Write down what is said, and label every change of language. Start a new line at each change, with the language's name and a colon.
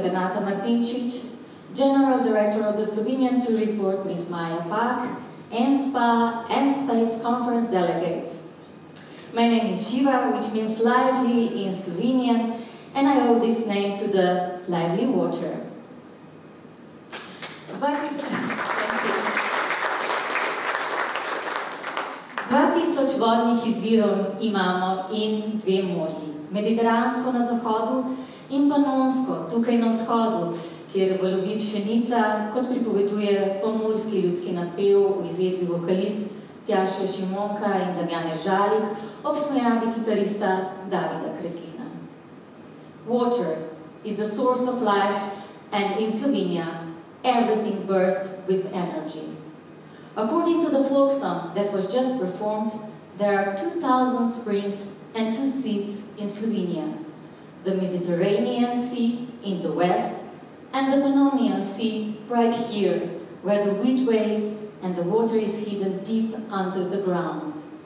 English: Renata Martinčič, General Director of the Slovenian Tourist Board, Ms. Maja Pak, and SPA and Space Conference delegates. My name is Živa, which means lively in Slovenian, and I owe this name to the lively water.
Slovenian: But 2000 vodnih izvirov imamo in dve morji, mediteransko na zahodu in panonsko, tukaj na vzhodu, kjer valovi pšenica, kot pripoveduje pomurski ljudski napev v izvedbi vokalist Tjaša Šimonka in Damjane Žalik ob spremljavi kitarista Davida Kreslina.
English: Water is the source of life and in Slovenia everything bursts with energy. According to the folk song that was just performed, there are 2,000 springs and two seas in Slovenia, the Mediterranean Sea in the west and the Pannonian Sea right here, where the wind waves and the water is hidden deep under the ground.